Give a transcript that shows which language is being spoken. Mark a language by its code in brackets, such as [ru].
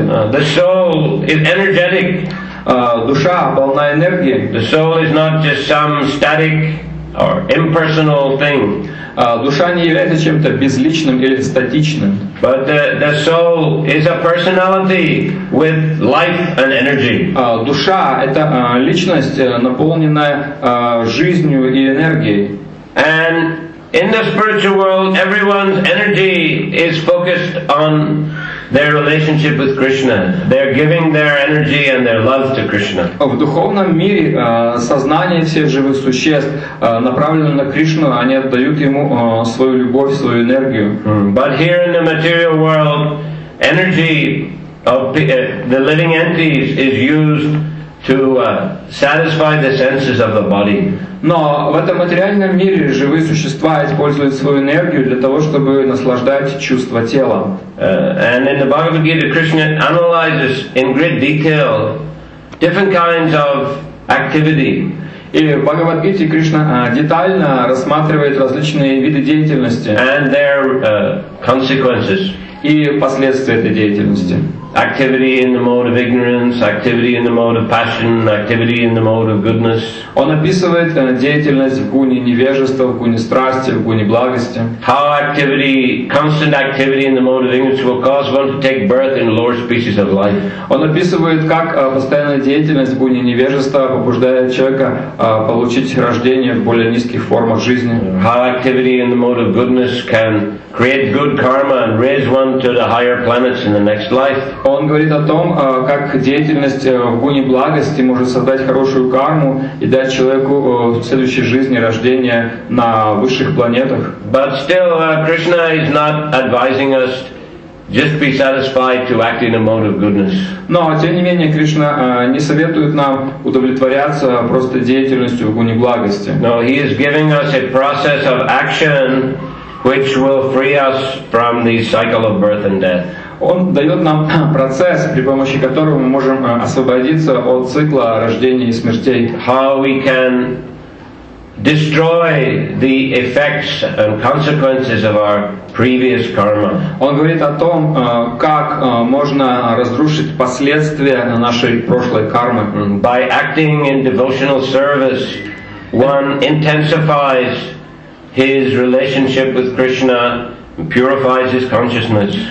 [en] The soul is energetic. [ru] Душа полна энергии. [en] The soul is not just some static or impersonal thing. [ru] Душа не является чем-то безличным или статичным. [en] But the soul is a personality with life and energy. [ru] Душа — это личность, наполненная жизнью и энергией. [en] And in the spiritual world, everyone's energy is focused on their relationship with Krishna. They're giving their energy and their love to Krishna. [ru] В духовном мире сознание всех живых существ направлено на Кришну, они отдают ему свою любовь, свою энергию. [en] But here in the material world, energy of the living entities is used to satisfy the senses of the body. [ru] Но в этом материальном мире живые существа используют свою энергию для того, чтобы наслаждать чувства тела. [en] And in the Bhagavad Gita, Krishna analyzes in great detail different kinds of activity. [ru] И в Бхагавад-гите Кришна детально рассматривает различные виды деятельности. [en] And their consequences. [ru] И последствия этой деятельности. [en] Activity in the mode of ignorance, activity in the mode of passion, activity in the mode of goodness. [ru] Он описывает деятельность в гуне невежества, в гуне страсти, в гуне благости. [en] How activity, constant activity in the mode of ignorance will cause one to take birth in lower species of life. [ru] Он описывает, как постоянная деятельность в гуне невежества побуждает человека получить рождение в более низких формах жизни. [en] How activity in the mode of goodness can create good karma and raise one to the higher planets in the next life. [ru] Он говорит о том, как деятельность в гуне благости может создать хорошую карму и дать человеку в следующей жизни рождение на высших планетах. [en] But still, Krishna is not advising us just be satisfied to act in a mode of goodness. [ru] Но тем не менее Кришна не советует нам удовлетворяться просто деятельностью в гуне благости. [en] No, he is giving us a process of action which will free us from the cycle of birth and death. [ru] Он дает нам процесс, при помощи которого мы можем освободиться от цикла рождения и смертей. [en] How we can destroy the effects and consequences of our previous karma. [ru] Он говорит о том, как можно разрушить последствия нашей прошлой кармы. [en] By acting in devotional service, one intensifies his relationship with Krishna. Purifies his consciousness.